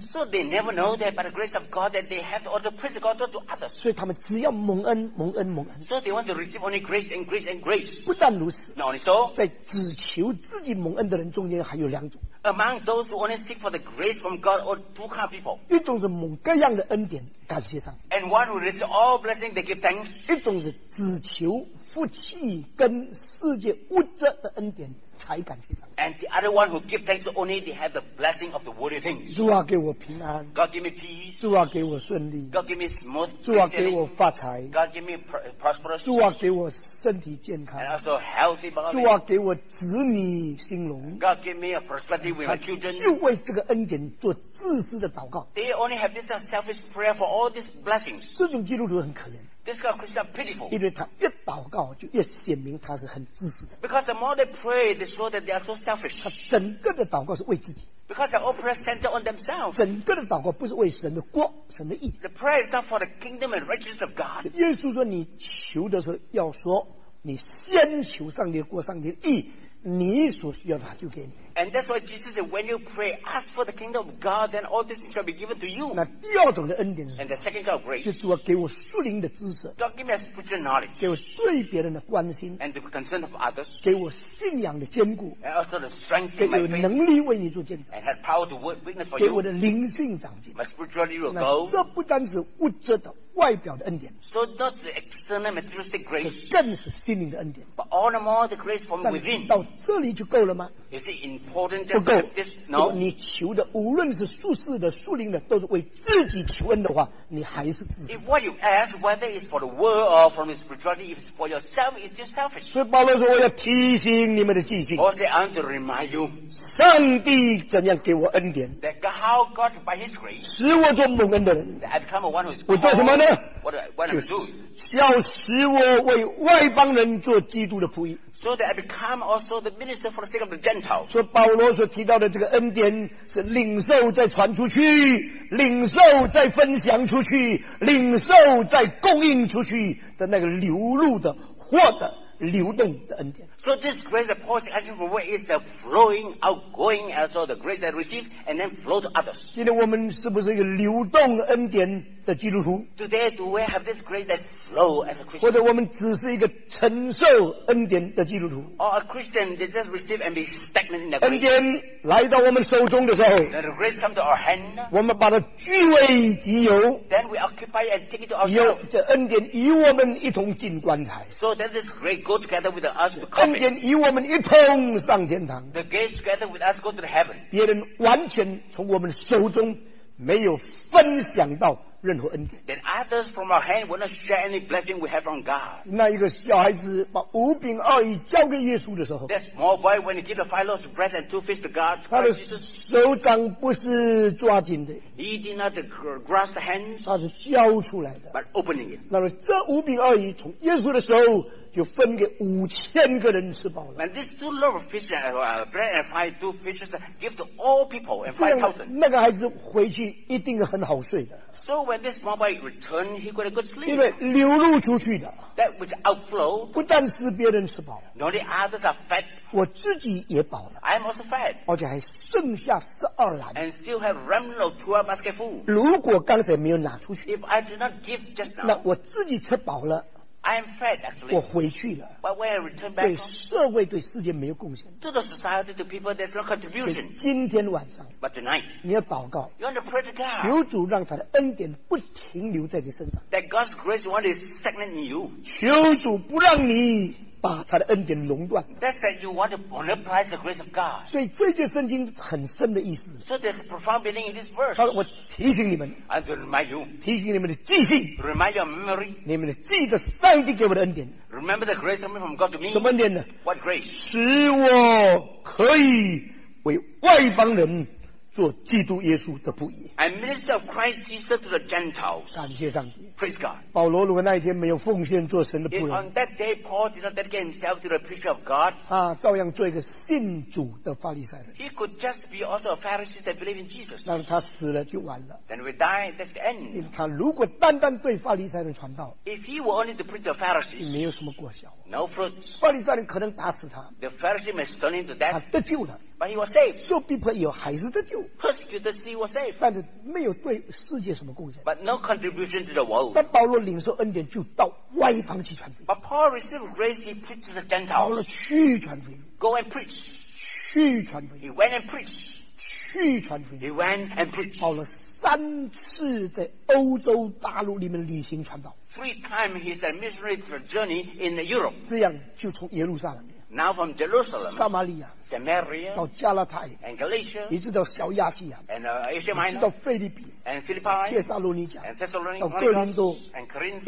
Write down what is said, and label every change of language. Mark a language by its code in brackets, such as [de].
[en] So they never know that by the grace of God that they have to also preach the gospel to others. [zh] 所以他们只要蒙恩，蒙恩，蒙恩。 [en] So they want to receive only grace and grace and grace. [zh] 不但如此 [en] ，Not only so. [zh] 在只求自己蒙恩的人中间还有两种。 [en] Among those who only seek for the grace from God or two kind of people. [zh] 一种是蒙各样的恩典，感谢上帝。 [en] And one who receive all blessing, they give thanks. [zh] 一种是只求福气跟世界物质的恩典才感谢上帝。 [en] And the other one who give thanks only they have the blessing of the worldly things. [zh] 主啊给我平安。 [en] God give me peace. [zh] 主啊给我顺利。 [en] God give me smooth. [zh] 主啊给我发财。 [en] God give me prosperous. [zh] 主啊给我身体健康。 [en] And also healthy body. [zh] 主啊给我子女兴隆。 [en] God give me a prosperity with my children. [zh] 就为这个恩典做自私的祷告。 [en] They only have this selfish prayer for all these blessings. [zh] 这种基督徒很可怜。 [en] This kind of Christian is pitiful. [zh] 因为他越祷告就越显明他是很自私的。 [en] Because the more they pray, they show that they are so selfish. [zh] 他整个的祷告是为自己。 [en] Because they all pray centered on themselves. [zh] 整个的祷告不是为神的国、神的义。 [en] The prayer is not for the kingdom and righteousness of God. [zh] 耶稣说你求的时候要说你先求上帝的国、上帝的义。你所需要的他就给你 [en] And that's why Jesus said When you pray Ask for the kingdom of God Then all this shall be given to you [zh] 那第二种的恩典是 [en] And the second kind of grace [zh] 就主要给我属灵的知识 [en] God give me a spiritual knowledge [zh] 给我对别人的关心 [en] And the concern of others [zh] 给我信仰的坚固 [en] And also the strength in my faith [zh] 给我能力为你做见证 [en] And have power to witness for you [zh] 给我的灵性长进 [en] My spiritual will grow [zh] 那这不单是物质的外表的恩典 [en] So not the external materialistic grace [zh] 这更是心灵的恩典 [en] But all the more the grace from within [zh] 到这里就够了吗 [en] Is it important to have this? No [zh] 你求的无论是属世的属灵的都是为自己求恩的话你还是自私 [en] If what you ask whether it's for the world or from the spirituality if it's for yourself it's just selfish [zh] 所以保罗说我要提醒你们的记性 [en] Paul said I want to remind you [zh] 上帝怎样给我恩典 [en] That how God by his grace [zh] 使我做蒙恩的人 [en] That I become a one who is [zh] 我做什么呢 [en] What do I do? [zh] 叫使我为外邦人做基督的仆役 [en] So that I become also the minister for the sake of the Gentiles. [zh] 所以保罗所提到的这个恩典是领受再传出去，领受再分享出去，领受再供应出去的那个流入的获得流动的恩典。 [en] So this grace that Paul is asking for where is the flowing, outgoing, as well the grace I receive and then flow to others. [zh] 今天我们是不是一个流动恩典的基督徒？ [en] Today do we have this grace that flow as a Christian? [zh] 或者我们只是一个承受恩典的基督徒？ [en] Or a Christian that just receive and be stagnant in the grace? [zh] 恩典来到我们手中的时候， [en] the grace come to our hand, [zh] 我们把它据为己有， [en] then we occupy and take it to ourselves. [zh] 有这恩典与我们一同进棺材。 [en] So that this grace go together with us become [zh] 恩典与我们一同上天堂。 [en] The guests together with us go to heaven. [zh] 别人完全从我们手中没有分享到任何恩典。 [en] Then others from our hand will not share any blessing we have from God. [zh] 那一个小孩子把五饼二鱼交给耶稣的时候， [en] That small boy when he gave the five loaves of bread and two fish to God, [zh] 他的手掌不是抓紧的， [en] He did not grasp the hands, [zh] 他是交出来的， [en] But opening it. [zh] 那么这五饼二鱼从耶稣的手就分给五千个人吃饱了。 [en] And these two loaves of fish, bread and five, two fishes, give to all people and 5,000. [zh] 那个孩子回去一定很好睡的。 [en] So when this small boy returned, he got a good sleep. [zh] 因为流入出去的。 [en] That which outflowed. [zh] 不但是别人吃饱了。 [en] Not the others are fed. [zh] 我自己也饱了。 [en] I am also fed. [zh] 而且还剩下十二篮。 [en] And still have remnant of 12 basket full. [zh] 如果刚才没有拿出去。 [en] If I did not give just now. [zh] 那我自己吃饱了。 [en] I am fed, actually. [zh] 我回去了。 [en] But when I return back, [zh] 对社会对世界没有贡献。 [en] To the society, to people, there's no contribution. [zh] 今天晚上。 [en] But tonight. [zh] 你要祷告。 [en] You want to pray to God. [zh] 求主让他的恩典不停留在你身上。 [en] That God's grace won't be stagnant in you. [zh] 求主不让你把他的恩典垄断。 [en] That's that you want to monopolize the grace of God. [zh] 所以这就是圣经很深的意思。 [en] So there's a profound meaning in this verse. [zh] 他说我提醒你们。 [en] I will remind you. [zh] 提醒你们的记性。 [en] Remind your memory. [zh] 你们的记得上帝给我的恩典。 [en] Remember the grace coming from God to me. [zh] 什么恩典呢？ [en] What grace? [zh] 使我可以为外邦人做基督耶稣的仆役。 [en] I minister of Christ Jesus to the Gentiles. [zh] 感谢上帝。 [en] Praise God. [zh] 保罗如果那一天没有奉献做神的仆人。 [en] If on that day Paul did not dedicate himself to the preacher of God. [zh] 啊，照样做一个信主的法利赛人。 [en] He could just be also a Pharisee that believed in Jesus. [zh] 那他死了就完了。 [en] Then we die, that's the end. [zh] 他如果单单对法利赛人传道。 [en] If he were only to preach to the Pharisees. [zh] 没有什么果效。 [en] No fruit. [zh] 法利赛人可能打死他。 [en] The Pharisee may stone him to death. [zh] 他得救了。 [en] But he was saved. [zh] 受逼迫以后还是得救。 [en] Persecuted, he was saved. [zh] 但是没有对世界什么贡献。 [en] But no contribution to the world. [zh] 但保罗领受恩典就到外邦去传福音。 [en] But Paul received grace, he preached to the Gentiles. [zh] 保罗去传福音。 [en] Go and preach. [zh] 去传福音。 [en] He went and preached. [zh] 去传福音。 [en] He went and preached. [zh] 保罗三次在欧洲大陆里面旅行传道。 [en] Three times he is a missionary to a journey in Europe. [zh] 这样就从耶路撒冷。 [en] Now from Jerusalem, Samaria, Samaria, [zh] 到加拉太, [en] and Galatia, [zh] 一直到小亚细亚, [en] and Asia Minor, [zh] 一直到菲律宾, [en] and Philippi, [zh] 帖撒罗尼迦, [en] and Thessalonica, [zh] 到哥林多, [en] and Corinth,